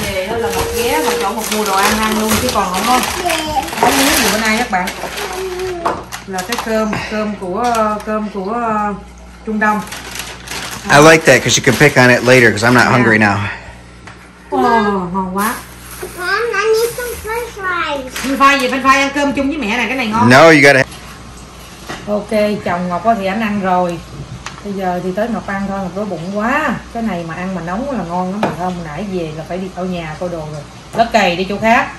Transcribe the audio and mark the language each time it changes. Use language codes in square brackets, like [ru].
[vi] Bây giờ là đi về đó là một ghé một chỗ một mua đồ ăn ăn luôn chứ còn không có bữa nay các bạn là cái cơm của Trung Đông. [en] I like that because you can pick on it later because I'm not hungry now. [vi] Oh, ngon quá. [en] Mom, I need some french fries. [vi] French fries gì? French fries ăn cơm chung với mẹ này, cái này ngon. [en] No, you gotta. [vi] Ok, chồng Ngọc thì anh ăn rồi. Bây giờ thì tới Ngọc ăn thôi, Ngọc đói bụng quá. Cái này mà ăn mà nóng là ngon lắm mà không. Nãy về là phải đi ở nhà coi đồ rồi. Lớp cày đi chỗ khác.